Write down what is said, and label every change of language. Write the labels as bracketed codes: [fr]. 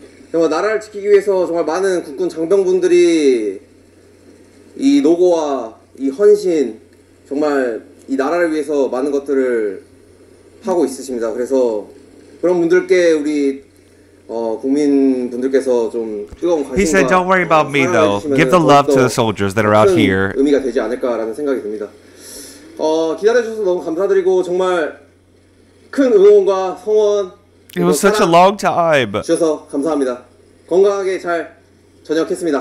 [ko] 정말 나라를 지키기 위해서 정말 많은 국군 장병분들이 이 노고와 이 헌신 정말 이 나라를 위해서 많은 것들을 하고 있으십니다. 그래서 그런 분들께 우리 국민분들께서 좀 뜨거운 관심과 [en] He said, "Don't worry about me, though. Give the love to the soldiers that are out here." [ko] 의미가 되지 않을까라는 생각이 듭니다. 기다려 주셔서 너무 감사드리고 정말 큰 응원과 성원 [en] It was such a long time. [ko] 주셔서 감사합니다. 건강하게 잘 전역했습니다.